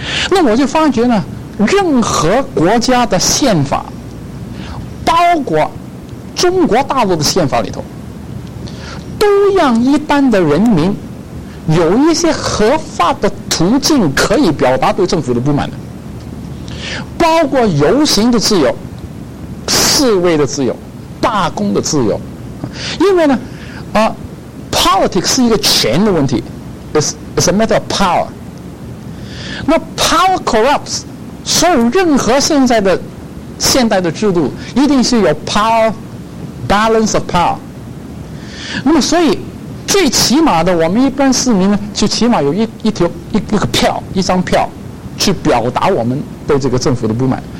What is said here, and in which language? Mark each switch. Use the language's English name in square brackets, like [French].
[Chinese] 那我就发觉呢，任何国家的宪法，包括中国大陆的宪法里头，都让一般的人民有一些合法的途径可以表达对政府的不满的，包括游行的自由、示威的自由、罢工的自由。因为呢，politics 是一个权的问题 ， [English] is a matter of power。 [Chinese] 那 [English] power corrupts， [Chinese] 所以任何现在的现代的制度一定是有 [English] power balance of power。 [Chinese] 那么，所以最起码的，我们一般市民呢，就起码有一张票，去表达我们对这个政府的不满。